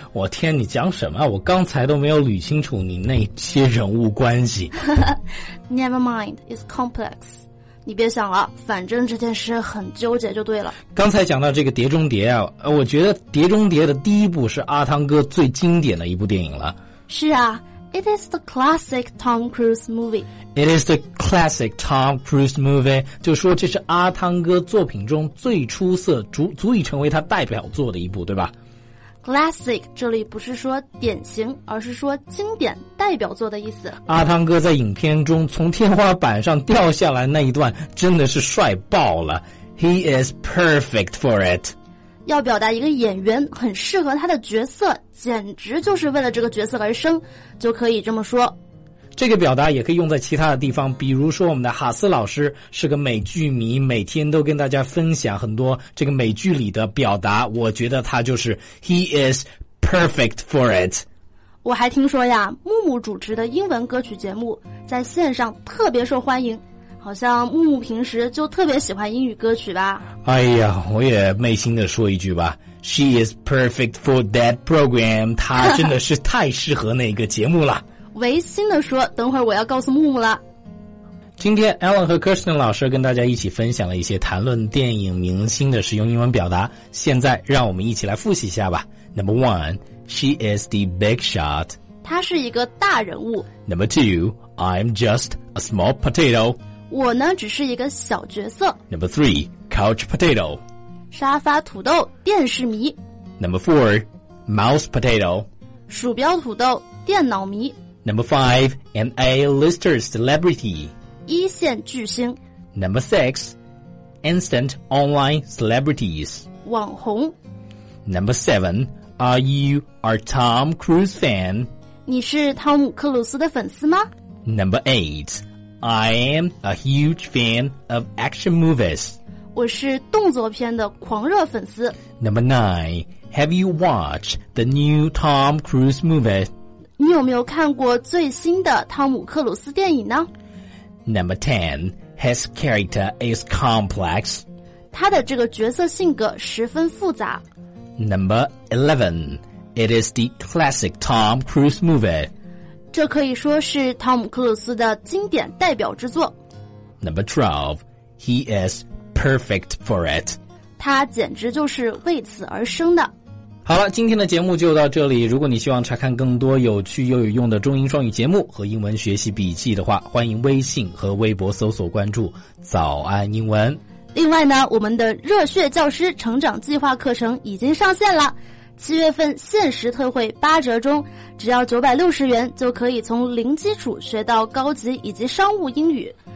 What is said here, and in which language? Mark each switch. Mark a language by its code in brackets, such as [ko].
[zh] 我天，你讲什么，我刚才都没有捋清楚你那些人物关系。 [en] Never mind, it's complex。 [zh] 你别想了，反正这件事很纠结就对了。刚才讲到这个碟中谍啊，我觉得碟中谍的第一部是阿汤哥最经典的一部电影了。是啊， [en] It is the classic Tom Cruise movie. It is the classic Tom Cruise movie. [zh] 就说这是阿汤哥作品中最出色，足以成为他代表作的一部，对吧？ Classic 这里不是说典型，而是说经典代表作的意思。阿汤哥在影片中从天花板上掉下来那一段真的是帅爆了。 [en] He is perfect for it. [zh] 要表达一个演员很适合他的角色，简直就是为了这个角色而生，就可以这么说。这个表达也可以用在其他的地方，比如说我们的哈斯老师是个美剧迷，每天都跟大家分享很多这个美剧里的表达，我觉得他就是 [en] He is perfect for it。 [zh] 我还听说呀，木木主持的英文歌曲节目在线上特别受欢迎，好像木木平时就特别喜欢英语歌曲吧。哎呀，我也昧心的说一句吧， [en] She is perfect for that program. [zh] 她真的是太适合那个节目了。违心的说，等会儿我要告诉木木了。今天 Alan 和 Kirsten 老师跟大家一起分享了一些谈论电影明星的实用英文表达，现在让我们一起来复习一下吧。 [en] Number one, she is the big shot. [zh] 她是一个大人物。 [en] Number two, I'm just a small potato. [zh] 我呢只是一个小角色。 [en] Number three, couch potato. [zh] 沙发土豆，电视迷。 [en] Number four, mouse potato. [zh] 鼠标土豆，电脑迷。 [en] Number five, an A-lister celebrity. [zh] 一线巨星。 [en] Number six, instant online celebrities. [zh] 网红。 [en] Number seven, are you a Tom Cruise fan? [zh] 你是汤姆·克鲁斯的粉丝吗？ [en] Number eight, I am a huge fan of action movies. [zh] 我是动作片的狂热粉丝。 [en] Number nine, have you watched the new Tom Cruise movie? [zh] 你有没有看过最新的汤姆·克鲁斯电影呢？ [en] Number ten, his character is complex. [zh] 他的这个角色性格十分复杂。 [en] Number 11, it is the classic Tom Cruise movie. [zh] 这可以说是汤姆·克鲁斯的经典代表之作。 [en] Number 12, he is...Perfect for it. [zh] 他简直就是为此而生的。好了，今天的节目就到这里。如果你希望查看更多有趣又有用的中英双语节目和英文学习笔记的话，欢迎微信和微博搜索关注早安英文。另外呢，我们的热血教师成长计划课程已经上线了，七月份限时特惠8折中，只要960元就可以从零基础学到高级以及商务英语。